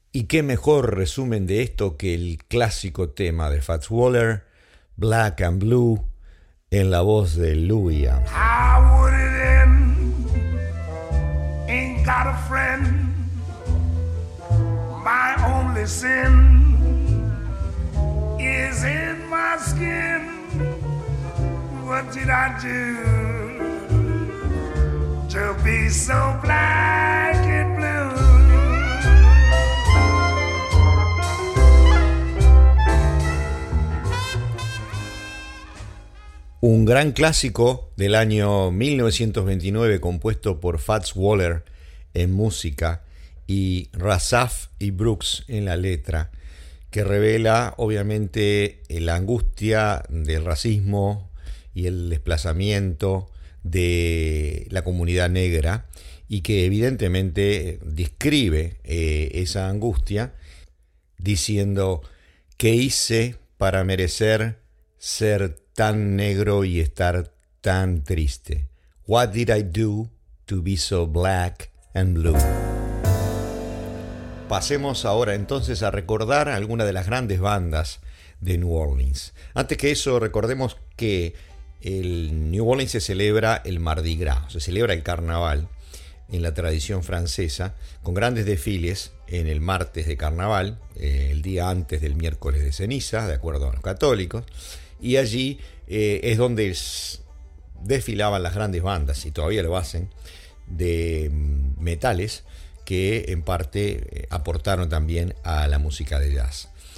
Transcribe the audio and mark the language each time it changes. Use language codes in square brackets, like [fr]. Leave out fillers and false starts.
[es] ¿Y qué mejor resumen de esto que el clásico tema de Fats Waller, Black and Blue, en la voz de Louis Armstrong? [en] I wouldn't end, ain't got a friend, my only sin is in my skin. What did I do to be so black and blue? [es] Un gran clásico del año 1929 compuesto por Fats Waller en música y Rasaf y Brooks en la letra, que revela obviamente la angustia del racismo y el desplazamiento de la comunidad negra, y que evidentemente describe esa angustia diciendo: ¿qué hice para merecer ser tan negro y estar tan triste? [en] What did I do to be so black and blue? [es] Pasemos ahora entonces a recordar algunas de las grandes bandas de New Orleans. Antes que eso, recordemos que el New Orleans se celebra el Mardi Gras, se celebra el carnaval en la tradición francesa, con grandes desfiles en el martes de carnaval, el día antes del miércoles de ceniza, de acuerdo a los católicos, y allí es donde desfilaban las grandes bandas, y todavía lo hacen, de metales que en parte aportaron también a la música de jazz.